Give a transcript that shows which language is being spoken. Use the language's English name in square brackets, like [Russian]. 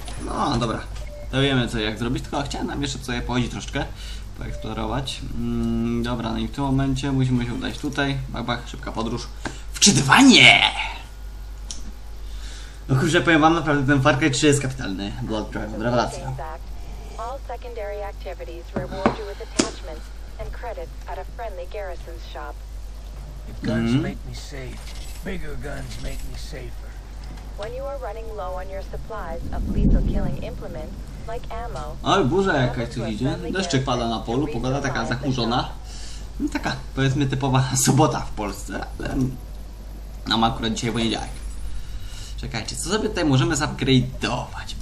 [Polish] O, no dobra. To wiemy, co jak zrobić, tylko chciałem nam jeszcze sobie pochodzić troszkę, poeksplorować. Dobra, no i w tym momencie musimy się udać tutaj. Bach, bach, szybka podróż. Wczytywanie! No kurczę, powiem wam, naprawdę ten Far Cry 3 jest kapitalny. Blood Dragon, rewelacja. [English] All secondary activities reward you with attachments and credits at a friendly garrison's shop. If guns make me safe, bigger guns make me safer. When you are running low on your supplies of lethal killing implements like ammo. [Polish] Oj, burza jakaś tu idzie. Deszczyk pada na polu, pogoda taka zachmurzona. No taka, powiedzmy typowa sobota w Polsce, ale mam akurat dzisiaj poniedziałek. Czekajcie, co sobie tutaj możemy upgrade'ować?